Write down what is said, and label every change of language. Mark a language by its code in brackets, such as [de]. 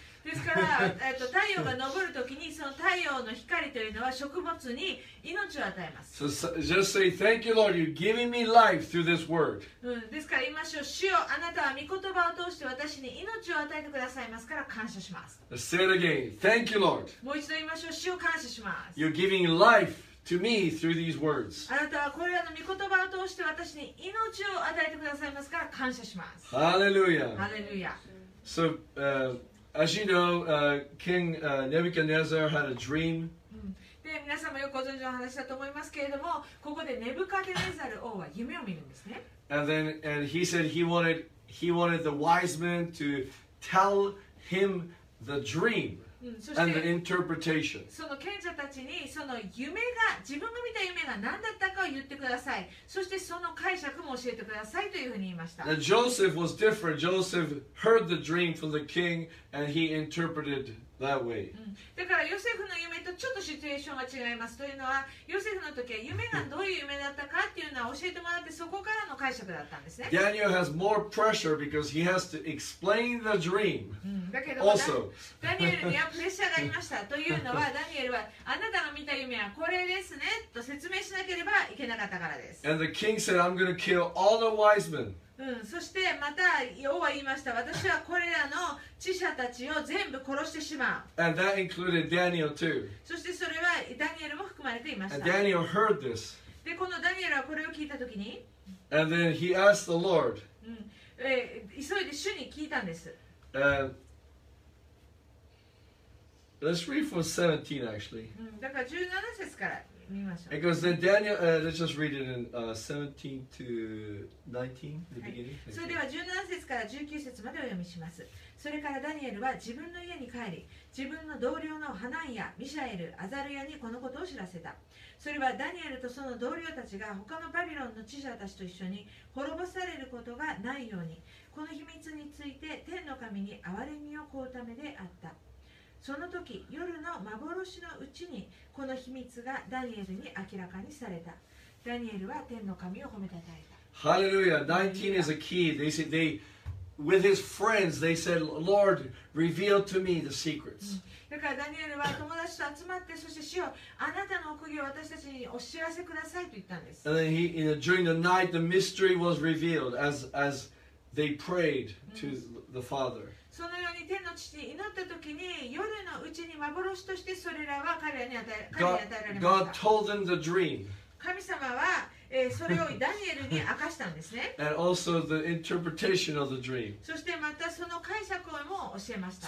[ja] ですから、太陽が昇るときにその太陽の光というのは食物に命を与えます。 [en] So just say thank you Lord, you're giving me life through this word. [ja] ですから言いましょう。主よ、あなたは御言葉を通して私に命を与えてくださいますから感謝します。 [en] Say it again, thank you Lord. [ja] もう一度言いましょう。主よ、感謝します。 [en] You're giving life to me through these words. [ja] あなたはこれらの御言葉を通して私に命を与えてくださいますから感謝します。 [en] Hallelujah. Hallelujah. So, As you know, King Nebuchadnezzar had a dream. [ja] で、皆様よくご存知の話だと思いますけれども、ここでネブカデネザル王は夢を見るんですね。 [en] And he said he wanted the wise men to tell him the dream and the interpretation. [ja] その賢者たちにその夢が、自分が見た夢が何だったかを言ってください。そしてその解釈も教えてくださいというふうに言いました。 [en] Now Joseph was different. Joseph heard the dream from the king and he interpreted that way. [ja] だからヨセフの夢とちょっとシチュエーションが違いますというのは、ヨセフの時は夢がどういう夢だったかっていうのは教えてもらって、そこからの解釈だったんですね。 [en] Daniel has more pressure because he has to explain the dream. [ja] だけども、 [en] also. [ja] ダニエルにはプレッシャーがありましたというのは、ダニエルはあなたが見た夢はこれですねと説明しなければいけなかったからです。 [en] And the king said, I'm going to kill all the wise men. [ja] そしてまた王は言いました。私はこれらの知者たちを全部殺してしまう。 [en] And that included Daniel too. [ja] そしてそれはダニエルも含まれていました。 [en] And Daniel heard this. [ja] で、このダニエルはこれを聞いたときに、 [en] And then he asked the Lord. [ja] 急いで主に聞いたんです。 [en] Let's read from 17 actually. [ja] だから17節から見ましょう。 [en] Because then Daniel, let's just read it in 17 to 19, the beginning. [ja] それでは17節から19節までお読みします。それからダニエルは自分の家に帰り、自分の同僚のハナンヤ、ミシャエル、アザルヤにこのことを知らせた。それはダニエルとその同僚たちが他のバビロンの知者たちと一緒に滅ぼされることがないように、この秘密について天の神に憐れみを請うためであった。その時、夜の幻のうちにこの秘密がダニエルに明らかにされた。ダニエルは天の神を褒めたたえた。 [en] ハレルヤ、19 is a key. They say they... With his friends, they said, "Lord, reveal to me the secrets." [ja] だからダニエルは友達と集まって、そして主よ、あなたの奥義を私たちにお知らせくださいと言ったんです。 [en] And then he, you know, during the night, the mystery was revealed as they prayed to the Father. [ja] そのように天の父に祈った時に、夜のうちに幻としてそれらは彼らに与えられました。 [en] God told them the dream. [ja] 神様はそれをダニエルに明かしたんですね。 [en] And also the interpretation of the dream. [ja] そしてまたその解釈をも教えました。